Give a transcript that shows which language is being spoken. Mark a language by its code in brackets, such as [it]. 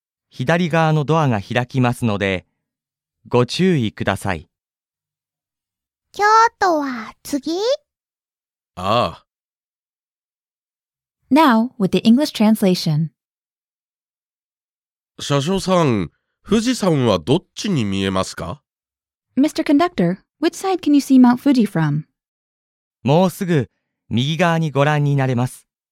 [ja] 左側のドアが開きますのでご注意ください。京都は次？ああ。 [en] Now with the English translation. [ja] 車掌さん、富士山はどっちに見えますか? [en] Mr. Conductor, which side can you see Mount Fuji from? [ja] もうすぐ右側にご覧になれます。